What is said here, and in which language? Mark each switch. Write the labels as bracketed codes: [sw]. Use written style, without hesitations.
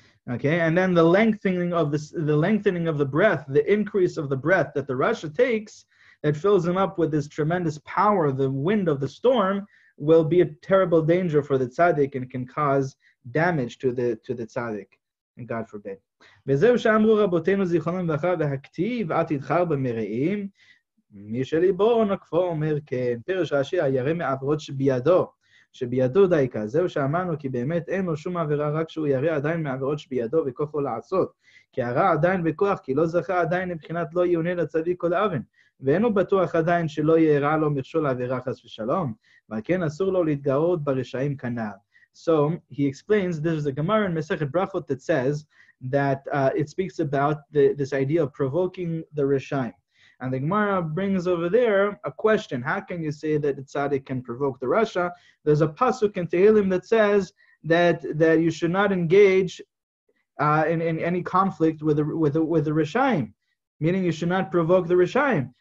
[en] Okay, and then the lengthening of the breath, the increase of the breath that the Rasha takes, that fills him up with this tremendous power, the wind of the storm, will be a terrible danger for the tzaddik and can cause damage to the tzaddik, and God forbid. [he] וזהו שאמרו רבותינו זיכרונם לברכה והכתיב אל תדחר במרעים מי שליבו נקפו אומר כן. פירוש רש"י הירא מעבירות שבידו, שבידו דייקה. זהו שאמרנו כי באמת אין לו שום עבירה, רק שהוא ירא עדיין מעבירות שבידו וכוחו לעשות. כי הרע עדיין בכוח, כי לא זכה עדיין מבחינת לא יונה לצדיק כל אבן. ואין הוא בטוח עדיין שלא יראה לו מכשול עבירה חס ושלום. וכן אסור לו להתגאות ברשעים כנער. [en] So he explains, this is a Gemara in Masechet Brachot that says that it speaks about this idea of provoking the Rishayim. And the Gemara brings over there a question. How can you say that the Tzaddik can provoke the Rasha? There's a pasuk in Tehillim that says that you should not engage in any conflict with the Rishayim, meaning you should not provoke the Rishayim.